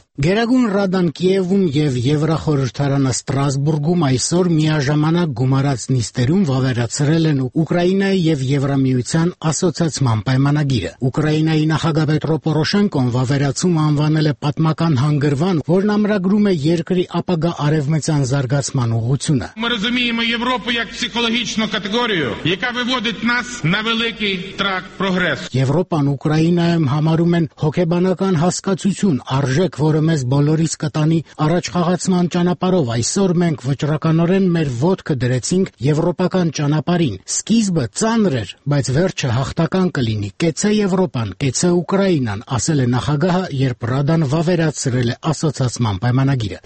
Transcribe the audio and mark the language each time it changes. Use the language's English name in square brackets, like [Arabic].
[Armenian] Գերագույն Ռադան Կիևում և Եվրախորհրդարանը Ստրասբուրգում այսօր միաժամանակ գումարած նիստերում վավերացրել են Ուկրաինայի և Եվրամիության ասոցացման պայմանագիրը։ Ուկրաինայի նախագահ Պետրո Պորոշենկոն վավերացում անվանել է պատմական հանգրվան, որն ամրագրում է երկրի ապագա արևմտյան զարգացման ուղղությունը։ [Ukrainian] Ми розуміємо Європу як психологічну категорію, яка виводить нас на великий тракт прогресу. [Armenian] Եվրոպան Ուկրաինայում համարում են հոգեբանական հասկացություն, արժեք, որը մեզ բոլորից կտանի առաջխաղացման ճանապարով։ Այսօր մենք վճռականորեն մեր ոտքը դրեցինք եվրոպական ճանապարհին։ Սկիզբը ծանր էր, բայց վերջը հաղթական կլինի։ Կեցը Եվրոպան, կեցը Ուկրաինան, ասել է նախագահը, երբ Ռադան վավերացրել է ասոցացման պայմանագիրը։